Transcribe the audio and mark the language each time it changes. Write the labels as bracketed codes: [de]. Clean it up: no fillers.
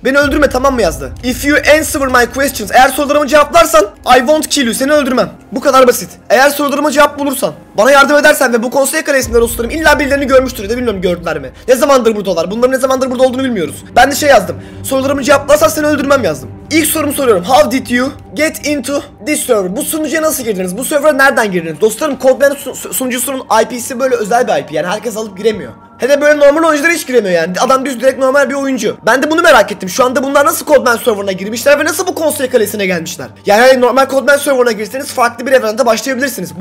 [tr] Beni öldürme tamam mı yazdı. [en] If you answer my questions, [tr] eğer sorularımı cevaplarsan [en] I won't kill you, [tr] seni öldürmem. Bu kadar basit. Eğer sorularımı cevap bulursan, bana yardım edersen ve bu konsey kalesinde dostlarım illa birilerini görmüştür de bilmiyorum gördüler mi? Ne zamandır buradalar? Bunların ne zamandır burada olduğunu bilmiyoruz. Ben de şey yazdım. Sorularımı cevaplarsan seni öldürmem yazdım. İlk sorumu soruyorum. [en] How did you get into this server? [tr] Bu sunucuya nasıl girdiniz? Bu server'a nereden girdiniz? Dostlarım Codman sunucusunun IP'si böyle özel bir IP. Yani herkes alıp giremiyor. He de böyle normal oyuncular hiç giremiyor yani. Adam düz direkt normal bir oyuncu. Ben de bunu merak ettim. Şu anda bunlar nasıl Codman server'ına girmişler ve nasıl bu konsey kalesine gelmişler? Yani normal Codman server'ına girseniz farklı bir evrende başlayabilirsiniz.